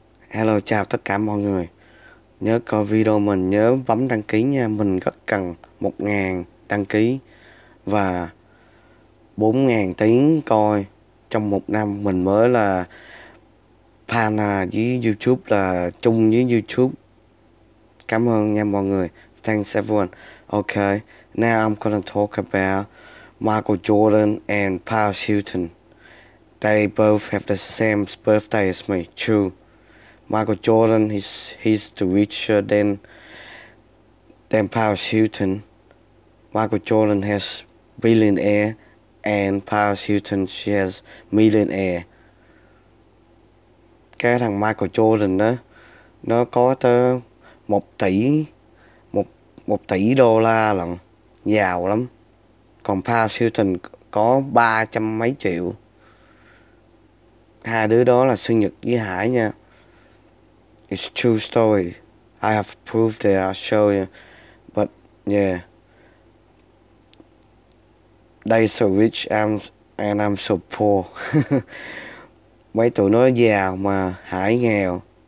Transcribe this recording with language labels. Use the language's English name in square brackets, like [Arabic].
[Vietnamese] Hello, chào tất cả mọi người. Nhớ coi video mình, nhớ bấm đăng ký nha. Mình rất cần 1,000 đăng ký và 4,000 tiếng coi trong một năm. Mình mới là Hana với YouTube, là chung với YouTube. Cảm ơn nha mọi người. [English] Thanks everyone. Okay, now I'm gonna talk about Michael Jordan and Paris Hilton. They both have the same birthday as me. True. Michael Jordan he's the richer than Paris Hilton. Michael Jordan has billionaire and Paris Hilton she has millionaire. [Vietnamese] Cái thằng Michael Jordan đó, nó có tới 1 tỷ đô la lận, giàu lắm. Còn Paris Hilton có 300 mấy triệu. Hai đứa đó là sinh nhật với Hải nha. [English] It's true story, I have proof that I'll show you. But yeah, they so rich and I'm so poor. [Vietnamese] Mấy tụi nó giàu mà Hải nghèo.